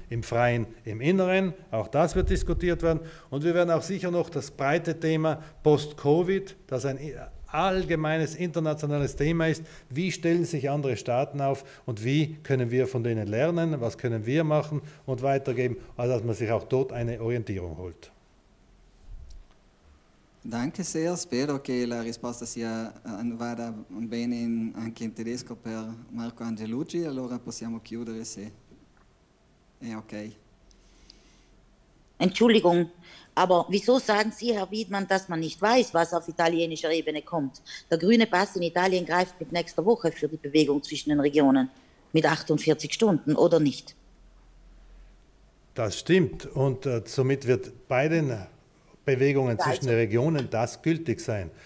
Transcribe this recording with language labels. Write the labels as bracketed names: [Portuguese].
[German] Im Freien, im Inneren. Auch das wird diskutiert werden. Und wir werden auch sicher noch das breite Thema Post-Covid, das ein allgemeines internationales Thema ist. Wie stellen sich andere Staaten auf und wie können wir von denen lernen? Was können wir machen und weitergeben, also dass man sich auch dort eine Orientierung holt? Danke sehr. [Italian] Spero che la risposta sia vada bene anche in tedesco per Marco Angelucci. Allora possiamo chiudere se è ok. [German] Entschuldigung. Aber wieso sagen Sie, Herr Wiedmann, dass man nicht weiß, was auf italienischer Ebene kommt? Der grüne Pass in Italien greift mit nächster Woche für die Bewegung zwischen den Regionen mit 48 Stunden, oder nicht? Das stimmt. Und somit wird bei den Bewegungen zwischen den Regionen das gültig sein.